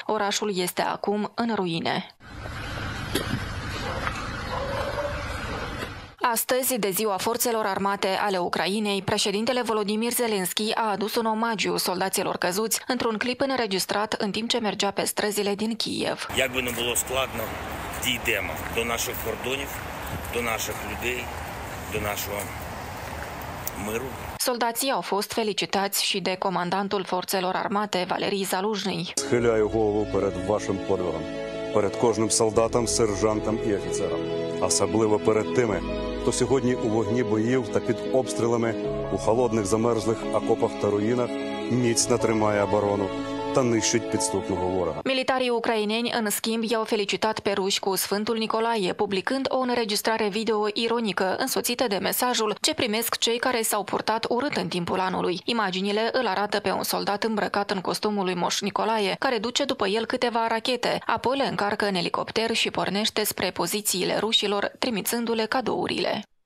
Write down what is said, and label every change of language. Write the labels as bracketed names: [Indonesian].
[Romanian] Orașul este acum în ruine. Astăzi, de ziua Forțelor Armate ale Ucrainei, președintele Volodymyr Zelensky a adus un omagiu soldaților căzuți într-un clip înregistrat în timp ce mergea pe străzile din Kiev. [Ukrainian] Як би не було складно, дійдемо до наших кордонів, до наших людей, до нашого миру. [Romanian] Soldații au fost felicitați și de comandantul Forțelor Armate, Valerii Zalužnyi. [Ukrainian] Схиляю голову перед вашим подвигом, перед кожним солдатом, сержантом і офіцером, особливо перед тими, хто сьогодні у вогні боїв та під обстрілами у холодних замерзлих окопах та руїнах міцно тримає оборону та нищить підступного ворога. Мілітарі українці, [Romanian] în schimb, i-au felicitat pe ruși cu Sfântul Nicolae, publicând o înregistrare video ironică, însoțită de mesajul ce primesc cei care s-au purtat urât în timpul anului. Imaginile îl arată pe un soldat îmbrăcat în costumul lui Moș Nicolae, care duce după el câteva rachete, apoi le încarcă în elicopter și pornește spre pozițiile rușilor, trimițându-le cadourile.